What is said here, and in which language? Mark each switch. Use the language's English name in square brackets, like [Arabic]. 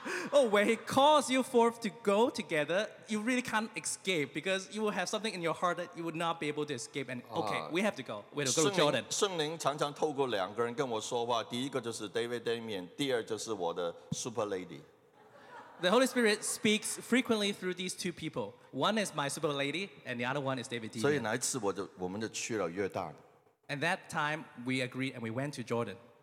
[English] Oh, when he calls you forth to go together, you really can't escape because you will have something in your heart that you would not be able to escape. And okay, we have to go. We have to go to Jordan. [Chinese] 圣灵常常透过两个人跟我说话，第一个就是 David Damien，第二就是我的 Super Lady. [English] The Holy Spirit speaks frequently through these two people. One is my Super Lady, and the other one is David Damien. [Chinese] 所以那一次我们就去了约旦。 [English] And that time we agreed and we went to Jordan.